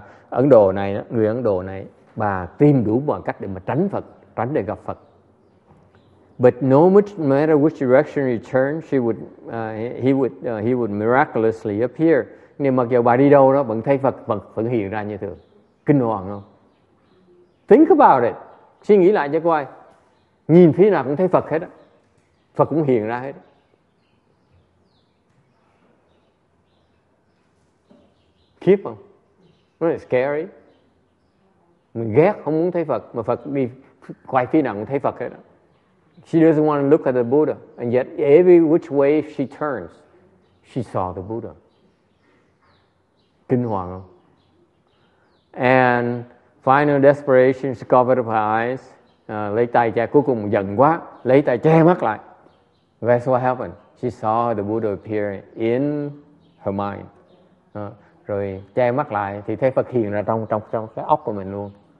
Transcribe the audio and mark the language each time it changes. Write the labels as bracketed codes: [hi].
[vi] Ấn Độ này, người Ấn Độ này, bà tìm đủ mọi cách để mà tránh Phật, tránh để gặp Phật. [en] But no matter which direction you turn, he would miraculously appear. [vi] Nhưng mà kiểu bà đi đâu đó vẫn thấy Phật, Phật vẫn hiện ra như thường. Kinh hoàng không? [en] Think about it. [vi] Suy nghĩ lại cho coi. Nhìn phía nào cũng thấy Phật hết á. Phật cũng hiện ra hết. Khiếp không? [en] Really scary. [vi] Mình ghét không muốn thấy Phật, mà Phật đi quay phía nào cũng thấy Phật hết á. [en] She doesn't want to look at the Buddha, and yet every which way she turns, she saw the Buddha. [vi] Kinh hoàng không? [en] And final desperation, she covered up her eyes. [vi] Lấy tay che, cuối cùng giận quá, lấy tay che mắt lại. [en] That's what happened. She saw the Buddha appear in her mind. [vi] Rồi che mắt lại thì thấy Phật hiện ra trong cái óc của mình luôn.